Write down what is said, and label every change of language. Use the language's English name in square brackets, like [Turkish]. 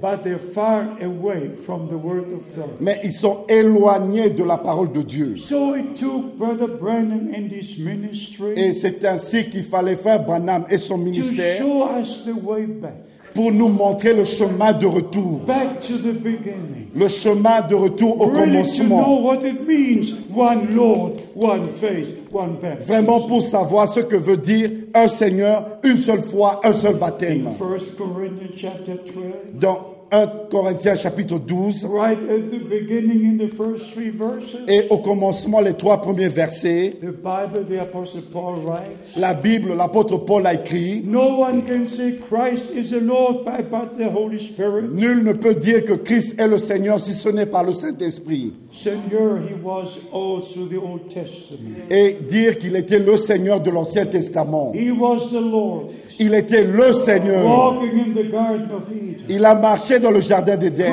[English] But they're far away from the word of God. [French] Mais ils sont éloignés de la parole de Dieu. [English] So it took Brother Branham and his ministry. [French] Et c'est ainsi qu'il fallait faire Branham et son ministère. [English] To show us the way back. [French] Pour nous montrer le chemin de retour. [English] Back to the beginning. [French] Le chemin de retour au [English] really [French] commencement. [English] To know what it means, one Lord, one faith, one baptism. [French] Vraiment pour savoir ce que veut dire un Seigneur, une seule foi, un seul baptême. [English] In 1 Corinthians chapter 12, [French] dans 1 Corinthiens chapitre 12. [English] Right at the beginning in the first three verses, [French] et au commencement, les trois premiers versets. [English] The Bible, the Apostle Paul writes, [French] la Bible, l'apôtre Paul a écrit. [English] No one can say Christ is the Lord but the Holy Spirit. [French] Nul ne peut dire que Christ est le Seigneur si ce n'est par le Saint-Esprit. [English] Seigneur, he was also the Old Testament. [French] Et dire qu'il était le Seigneur de l'Ancien Testament. [English] He was the Lord. [French] Il était le Seigneur. [English] Walking in the Garden of Eden. [French] Il a marché dans le jardin d'Éden.